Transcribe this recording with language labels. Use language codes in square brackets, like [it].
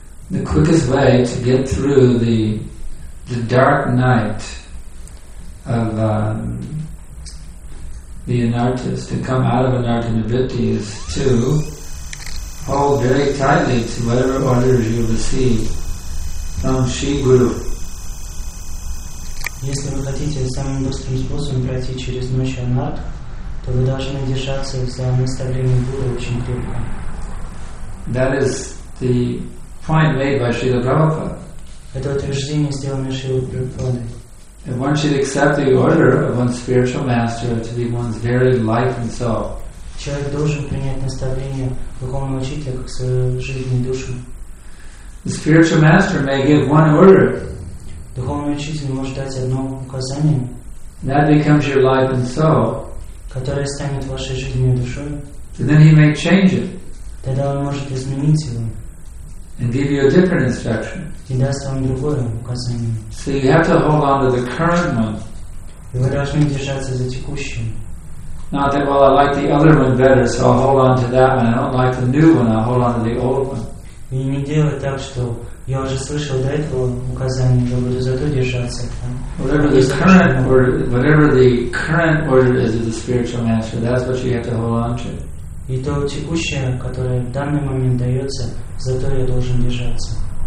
[en] The quickest way to get through the dark night of the anartas, to come out of anartha nivritti, is to hold very tightly to whatever orders you receive from Shri Guru. [ru] Если вы хотите самым быстрым способом пройти через ночь анарт, то вы должны держаться за наставление Гуру очень крепко. [en] That is the point made by Srila Prabhupada. [ru] Это утверждение, сделанное Шрилой Прабхупадой. [en] And one should accept the order of one's spiritual master to be one's very life and soul. [ru] Человек должен принять наставление духовного учителя как свою жизнь и душу. [en] The spiritual master may give one order. [ru] Духовный учитель может дать одно указание. [en] That becomes your life and soul. [ru] Которое станет вашей жизнью и душой. [en] And then he may change it. [ru] Тогда он может изменить его. [en] And give you a different instruction. [ru] И даст вам другое указание. [en] So you have to hold on to the current one. [ru] И вы должны держаться за текущим. [en] Not that, well, I like the other one better, so I'll hold on to that one. I don't like the new one, I'll hold on to the old one. [ru] И не делай так, что я уже слышал до этого указание, я буду за то держаться. [en] Whatever the current order is of the spiritual master, that's what you have to hold on to. [ru] И то текущее, которое в данный момент дается, за то я должен держаться.